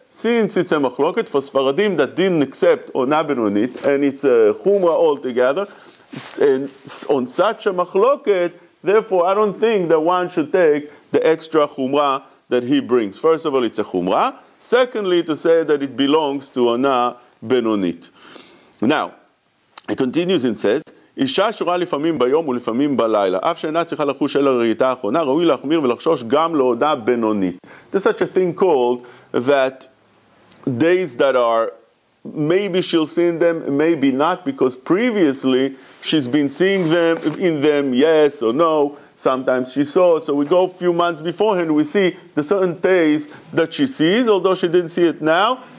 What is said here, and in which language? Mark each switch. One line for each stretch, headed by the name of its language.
English: Since it's a machloket for Sfaradim that didn't accept onat benonit, and it's a chumra altogether, and on such a machloket, therefore, I don't think that one should take the extra chumra that he brings. First of all, it's a chumra. Secondly, to say that it belongs to Ona Benonit. Now, it continues and says,
Hebrew: אישה שרואה לפעמים ביום ולפעמים בלילה, אף שאינה צריכה לחוש אל הראיתה האחרונה, ראוי להחמיר ולחשוש גם לעונה בינונית.
English: There's such a thing called that days that are, maybe she'll see them, maybe not, because previously she's been seeing them in them, yes or no. Sometimes she saw, so we go a few months beforehand, we see the certain days that she sees, although she didn't see it now.